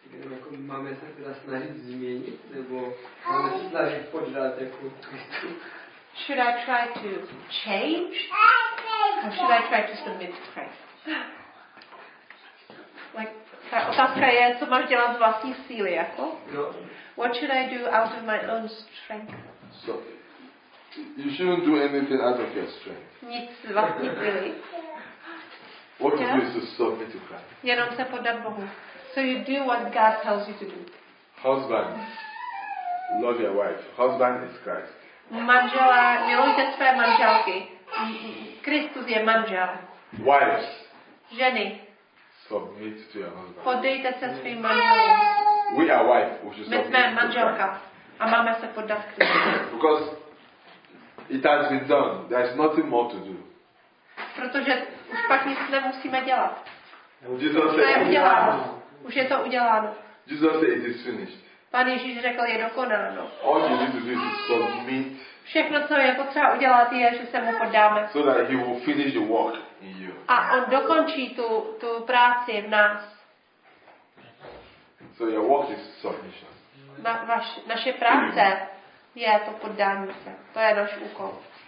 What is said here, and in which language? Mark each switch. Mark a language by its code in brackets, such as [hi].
[cs] Jako máme se teda snažit změnit, nebo máme se snažit poddat jako Kristu? [en] Should I try to change? Or should I try to submit to Christ? [cs] Like, ta otázka je, co máš dělat z vlastní síly, jako? [en] What should I do out of my own strength? So, you shouldn't do anything out of your strength. [cs] Nic z vlastní síly. [en] What you do is to submit to Christ. [cs] Jenom se poddat Bohu. [en] So you do what God tells you to do. Husband, love your wife. Husband is Christ. [cs] Manžela, milujte své manželky. Kristus je manžel. [en] Wives. [cs] Ženy. [en] Submit to your husband. [cs] Poddejte se svým manželům. [en] We are wife, which is submit. [cs] My jsme manželka. A máme se poddat Kristu. [en] Because it has been done. There is nothing more to do. [cs] Protože už pak nic nemusíme dělat. [en] Jesus [cs] said, už je to uděláno. [en] Jesus said, it is finished. [cs] Pan Ježíš řekl, je dokonáno. [en] All you need to do is submit. [cs] Všechno, co je potřeba udělat, je, že se mu poddáme. [en] So that he will finish the work in you. [cs] A on dokončí tu práci v nás. [en] So your work is submission. [cs] Naše práce je to poddání se. To je náš úkol.